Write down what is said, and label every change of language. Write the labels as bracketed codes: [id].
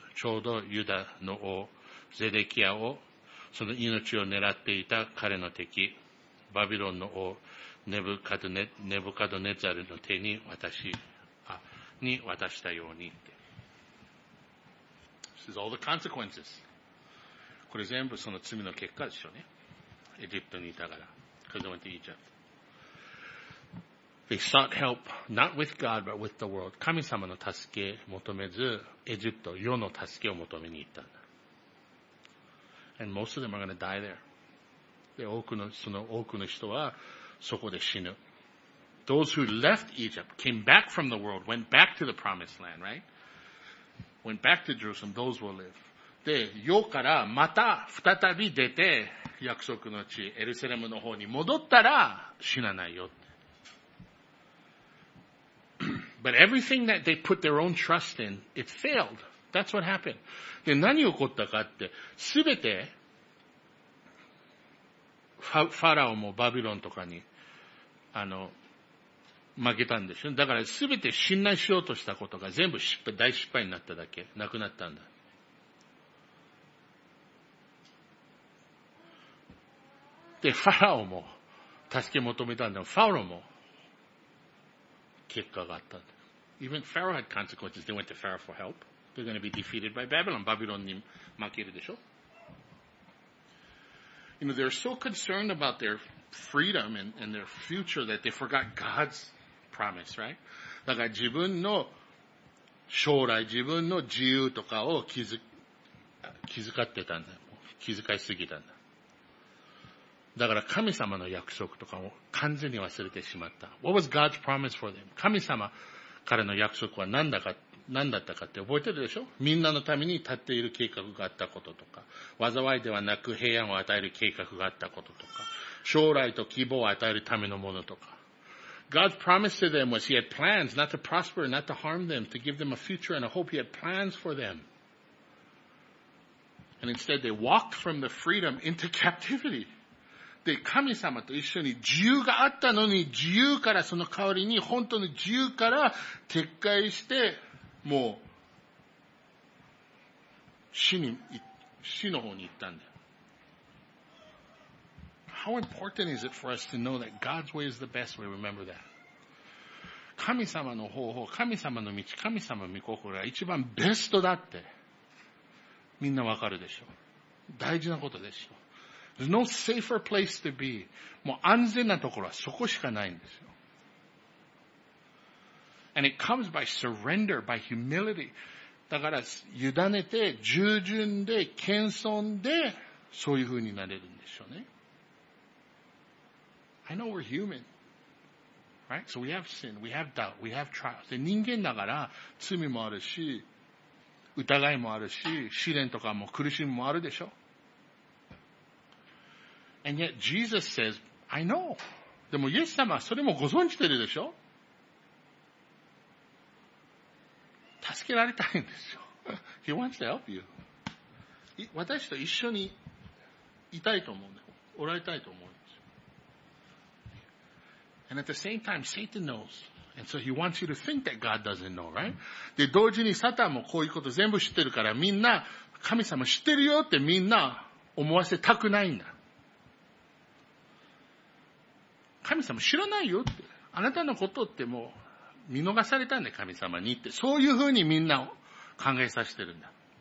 [ja] ちょうどユダの王、ゼデキヤをその命を狙っていた彼の敵バビロンの王ネブカドネザルの手に渡したようにって。 [en] This is all the consequences. [ja] これ全部その罪の結果でしょうね。エジプトにいたから。 [en] Because they went to Egypt. They sought help not with God but with the world. [ja] 神様の助け求めず、エジプト世の助けを求めに行ったんだ。 [en] And most of them are going to die there. [ja] で、多くの人はそこで死ぬ。 [en] Those who left Egypt, came back from the world, went back to the promised land, right? Went back to Jerusalem, those will live. [ja] で、世からまた再び出て、約束の地、エルサレムの方に戻ったら死なないよ。 [en] But everything that they put their own trust in, it failed. That's what happened. [ja] で、何起こったかって、すべて、ファラオもバビロンとかに、負けたんでしょ。だから、すべて信頼しようとしたことが全部大失敗になっただけ。なくなったんだ。で、ファラオも、助け求めたんだ。ファラオも、結果があったんだ。 [en] Even Pharaoh had consequences. They went to Pharaoh for help. They're going to be defeated by Babylon. [ja] Babylon に負けるでしょ? [en] You know, they're so concerned about their freedom and their future that they forgot God's promise, right? [ja] だから自分の将来、自分の自由とかを気づかってたんだ。気遣いすぎたんだ。だから神様の約束とかを完全に忘れてしまった。 [en] What was God's promise for them? [ja] 神様からの約束は何だったかって覚えてるでしょ？みんなのために立っている計画があったこととか、災いではなく平安を与える計画があったこととか、将来と希望を与えるためのものとか。 [en] God's promise to them was He had plans not to prosper, not to harm them, to give them a future and a hope. He had plans for them. And instead they walked from the freedom into captivity. [ja] で、神様と一緒に自由があったのに、自由からその代わりに、本当の自由から撤回して、もう、死の方に行ったんだよ。 [en] How important is it for us to know that God's way is the best way? Remember that. [ja] 神様の方法、神様の道、神様の御心が一番ベストだって、みんなわかるでしょう。大事なことでしょう。 [en] There's no safer place to be. [ja] もう安全なところはそこしかないんですよ。 [en] And it comes by surrender, by humility. [ja] だから、委ねて、従順で、謙遜で、そういう風になれるんでしょうね。 [en] I know we're human. Right? So we have sin, we have doubt, we have trials. [ja] で、人間だから、罪もあるし、疑いもあるし、試練とかも苦しみもあるでしょ。 [en] And yet Jesus says, I know. [ja] でもイエス様はそれもご存知てるでしょ。助けられたいんですよ。 [en] He wants to help you. [ja] 私と一緒にいたいと思うんだよ。おられたいと思うんですよ。 [en] And at the same time, Satan knows. And so he wants you to think that God doesn't know, right? [ja] で、同時にサタンもこういうこと全部知ってるからみんな神様知ってるよってみんな思わせたくないんだ。神様知らないよって。あなたのことってもう見逃されたんで神様にって。そういうふうにみんなを考えさせてるんだ。